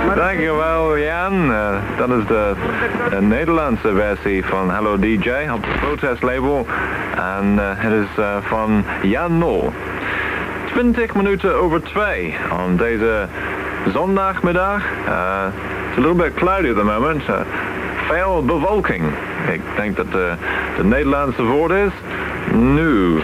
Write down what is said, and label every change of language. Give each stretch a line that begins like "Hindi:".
Dutch: Dankjewel, Jan. Dat is de Nederlandse versie van Hello DJ op de protest label. En het is van Jan Nol. 20 minuten over 2 on deze zondagmiddag.
English: It's a little bit cloudy at the moment.
Dutch: Veel bewolking. Ik denk dat de Nederlandse woord is nu.